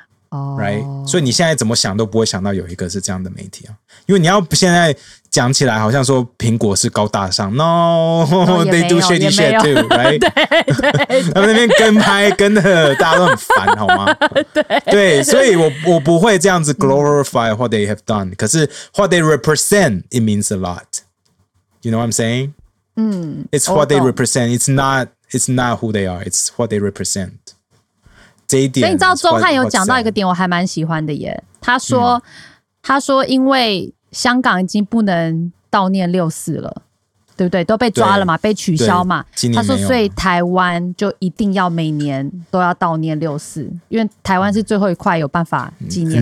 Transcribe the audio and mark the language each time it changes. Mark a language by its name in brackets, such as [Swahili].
[Chinese] 哦、 right? ，所以你现在怎么想都不会想到有一个是这样的媒体啊，因为你要现在讲起来好像说苹果是高大上 ， [English] No， they do shady shit too， right？ [Chinese] 对对，对他们那边跟拍跟的大家都很烦，好吗？对对，所以我不会这样子 [English] glorify what they have done，、嗯、可是 what they represent it means a lot， you know what I'm saying？嗯，it's what they represent， it's not who they are， it's what they represent。 [Chinese] 这一点，所以你知道钟汉有讲到一个点我还蛮喜欢的耶，他说因为香港已经不能悼念六四了，对不对，都被抓了嘛，被取消嘛，他说所以台湾就一定要每年都要悼念六四，因为台湾是最后一块有办法纪念、嗯、